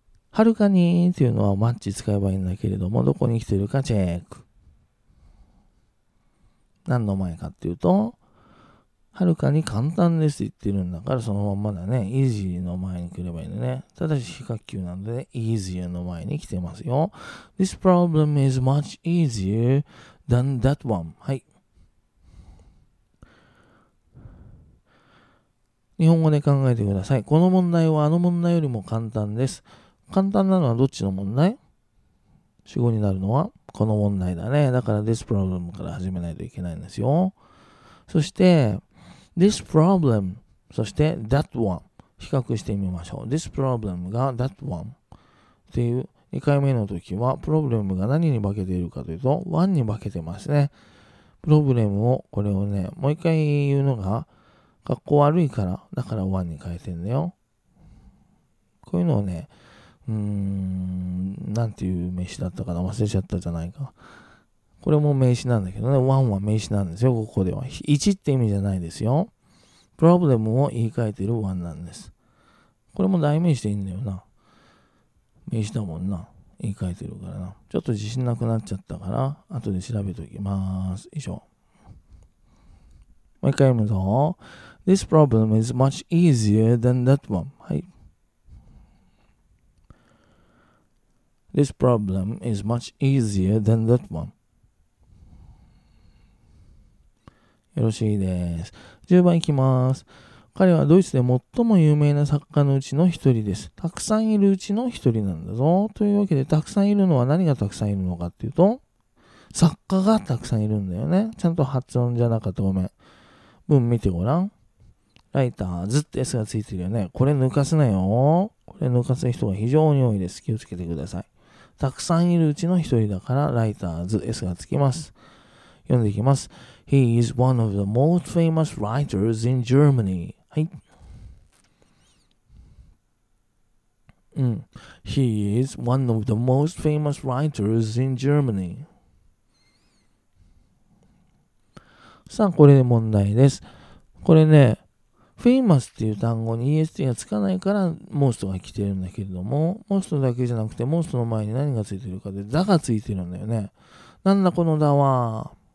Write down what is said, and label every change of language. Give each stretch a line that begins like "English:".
Japanese: はるかにっていうのはマッチ使えばいいんだけれども、どこに来てるかチェック。何の前かっていうと、はるかに簡単ですって言ってるんだから、そのまんまだね。 easy の前に来ればいいのね。ただし、比較級なので、ね、easier の前に来てますよ。
English: This problem is much easier than that one.
Japanese: はい。日本語で考えてください。この問題はあの問題よりも簡単です。簡単なのはどっちの問題？主語になるのはこの問題だね。だから this problem から始めないといけないんですよ。そして this problem、 そして that one、 比較してみましょう。 this problem が that one っていう2回目の時は problem が何に化けているかというと one に化けてますね。 problem をこれをね、もう一回言うのが格好悪いから、だから1に変えてんだよ。こういうのをね、なんていう名詞だったかな、忘れちゃったじゃないか。これも名詞なんだけどね、1は名詞なんですよ、ここでは。1って意味じゃないですよ。 problem を言い換えてる1なんです。これも代名詞でいいんだよな。名詞だもんな。言い換えてるからな。ちょっと自信なくなっちゃったから、後で調べておきます。以上。もう一回読むぞ。
English: This problem is much easier than that one.
Japanese: はい。
English: This problem is much easier than that one.
Japanese: よろしいです。10番いきます。彼はドイツで最も有名な作家のうちの一人です。たくさんいるうちの一人なんだぞ。というわけで、たくさんいるのは何がたくさんいるのかっていうと、作家がたくさんいるんだよね。ちゃんと発音じゃなかったごめん。文見てごらん。ライターズって S がついてるよね。これ抜かすなよ。これ抜かす人が非常に多いです。気をつけてください。たくさんいるうちの一人だからライターズ S がつきます。読んでいきます。
English: He is one of the most famous writers in Germany.
Japanese: はい。うん。
English: He is one of the most famous writers in Germany.
Japanese: さあ、これで問題です。これね、famous っていう単語に EST がつかないから most が来てるんだけれども、most だけじゃなくて most の前に何がついてるかで the がついてるんだよね。なんだこの the は。